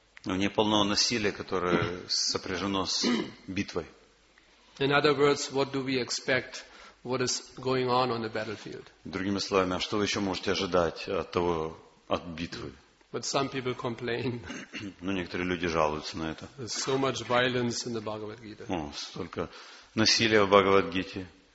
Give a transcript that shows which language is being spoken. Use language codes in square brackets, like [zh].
[ru] В ней полно насилия, которое сопряжено с битвой. [en] In other words, what do we expect? What is going on the battlefield? [ru] Другими словами, а что вы еще можете ожидать от того, от битвы? [en] But some people complain. [ru] Ну, некоторые люди жалуются на это. [en] There's so much violence in the Bhagavad Gita. [ru] О, столько насилия в Бхагавад-гите.